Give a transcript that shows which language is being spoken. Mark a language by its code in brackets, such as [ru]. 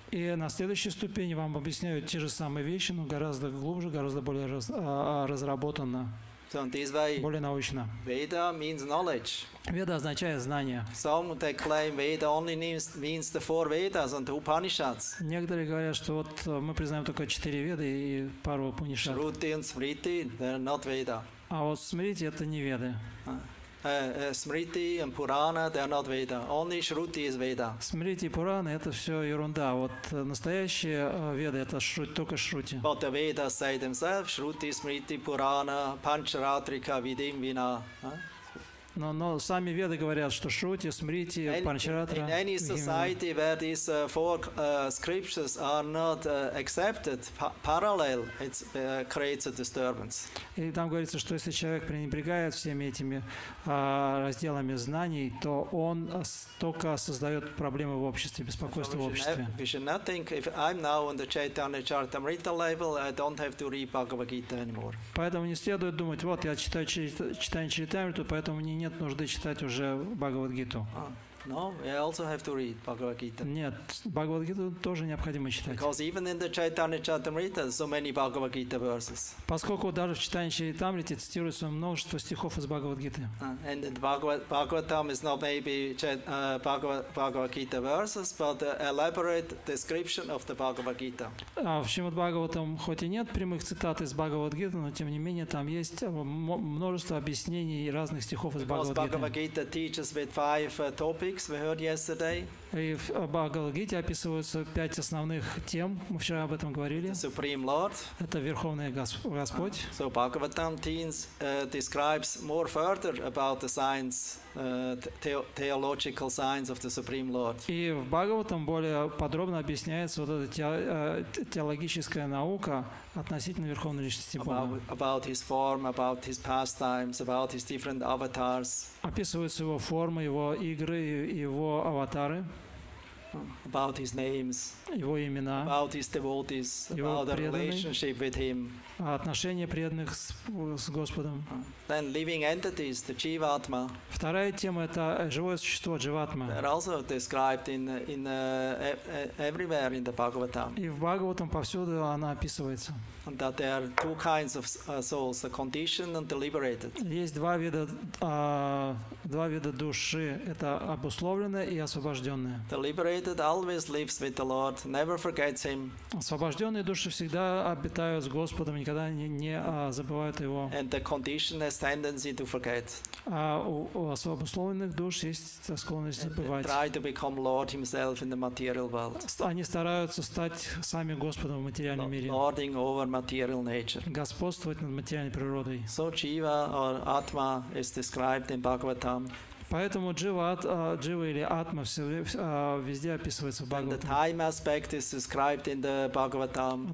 [ru] И на следующей ступени вам объясняют те же самые вещи, но гораздо глубже, гораздо более разработанно. [en] So in this way, [ru] более научно. [en] Veda means knowledge. [ru] Веда означает знание. [en] Some they claim Veda only means the four Vedas and the Upanishads. [ru] Некоторые говорят, что вот мы признаем только четыре Веды и пару Упанишад. [en] Shruti and Smriti, they're not Veda. [ru] А вот Смрити это не Веды. [en] Smriti and Purana, they're not Veda. Only Shruti is Veda. [ru] Смрити и Пурана это все ерунда. Вот настоящие Веды это только Шрути. [en] But the Vedas say themselves, Shruti, Smriti, Purana, Pancharatrika, Vidim, Vina. [ru] Но сами Веды говорят, что Шрути, Смрити, Панчаратра. [en] In any society where these four scriptures are not accepted parallel, it creates a disturbance. [ru] И там говорится, что если человек пренебрегает всеми этими разделами знаний, то он только создает проблемы в обществе, беспокойство в обществе. [en] We should not think if I'm now on the Chaitanya Charitamrita level, I don't have to read Bhagavad Gita anymore. [ru] Поэтому не следует думать, вот я читаю Чайтанья Чаритамриту, поэтому мне нет нужды читать уже Бхагавад Гиту. [en] No, we also have to read Bhagavad Gita. [ru] Нет, Бхагавад Гиту тоже необходимо читать. [en] Because even in the Chaitanya Charitamrita, so many Bhagavad Gita verses. [ru] Поскольку даже в Чайтанья Чаритамрите цитируется множество стихов из Бхагавад Гиты. [en] And Bhagavatam is not maybe Bhagavad Gita verses, but elaborate description of the Bhagavad Gita. [ru] А в Шримад Бхагаватам хоть и нет прямых цитат из Бхагавад Гиты, но тем не менее там есть множество объяснений и разных стихов из Бхагавад Гиты. [en] Because Bhagavad Gita teaches with five topics. We heard yesterday. [ru] И в Бхагавад Гите описываются пять основных тем. Мы вчера об этом говорили. [en] The Supreme Lord. [ru] Это Верховный Господь. [en] So Bhagavatam describes more further about the science, theological science of the Supreme Lord. [ru] И в Бхагаватам более подробно объясняется вот эта теологическая наука относительно Верховной Личности Бога. [en] About his form, about his pastimes, about his different avatars. [ru] Описываются его формы, его игры, его аватары. [en] About his names, [ru] его имена, [en] about his devotees, about the relationship with him, [ru] отношения преданных с Господом. [en] Then living entities, the jivatma. [ru] Вторая тема это живое существо дживатма. [en] They're also described everywhere in the Bhagavatam. [ru] И в Бхагаватам повсюду она описывается. [en] And that there are two kinds of souls, the conditioned and the liberated. [ru] Есть два вида души. Это обусловленные и освобожденные. [en] The liberated always lives with the Lord, never forgets Him. [ru] Освобожденные души всегда обитают с Господом, никогда не забывают Его. [en] And the conditioned has tendency to forget. [ru] А у обусловленных душ есть склонность забывать. [en] Try to become Lord Himself in the material world. [ru] Они стараются стать сами Господом в материальном мире. [en] Lording over material nature. [ru] Господствовать над материальной природой. [en] So jiva or atma is described in Bhagavatam. [ru] Поэтому джива или атма везде описывается в Бхагаватам.